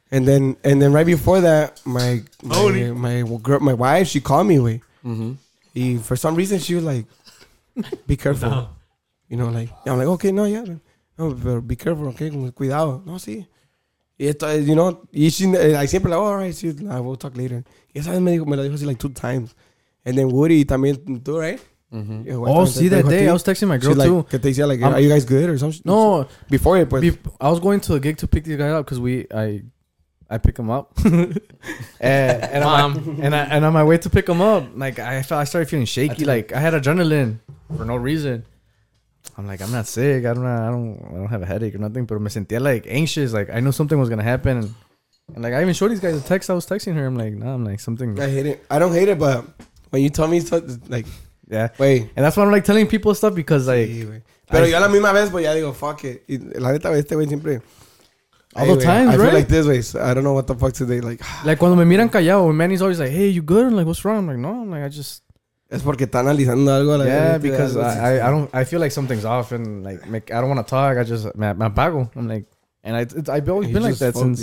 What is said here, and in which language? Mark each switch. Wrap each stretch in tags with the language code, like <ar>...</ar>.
<en>And then right before that, my wife, she called me, wey. Mm-hmm. And for some reason, she was like, be careful. No. You know, like, I'm like, okay, no, yeah. No, but be careful, okay?</en> <es>Cuidado. No, sí. Y esto,</es> <en>you know, y she, I siempre like, oh, all right, she's, nah, we'll talk later.</en> <es>Y esa vez me lo dijo así</es> <en>like 2 times. And then Woody</en> <es>también,</es> <en>tú, right? Mm-hmm. Oh, see that day? I was texting my girl like, too.</en> <es>Que te decía,</es> <en>like, are you guys good or something? No. Before it, pues. I was going to the gig to pick this guy up because I pick him up, and on my way to pick him up, like I started feeling shaky. That's like I had adrenaline for no reason. I'm like, I'm not sick. I don't have a headache or nothing. But</en> <es>me sentía</es> <en>like anxious. Like I knew something was gonna happen, and like I even showed these guys a text. I was texting her. I'm like, nah. I'm like something. I hate it. I don't hate it, but when you tell me something, like yeah, wait. And that's why I'm like telling people stuff because like.</en> <es>Sí, pero yo la misma vez, pues ya digo</es> <en>fuck it.</en> <es>Y la neta este güey siempre.</es> <en>All the times, right? I feel like this way. So I don't know what the fuck today. Like,</en> <es>cuando me miran callado,</es> <en>when Manny's always like, hey, you good? I'm like, what's wrong? I'm like, no, I'm like, I just.</en> <es>Es porque está analizando algo.</es> <en>Like, yeah, because I feel like something's off and like, I don't want to talk. I just,</en> <es>me apago.</es> <en>I'm like, I've always been like that since.</en>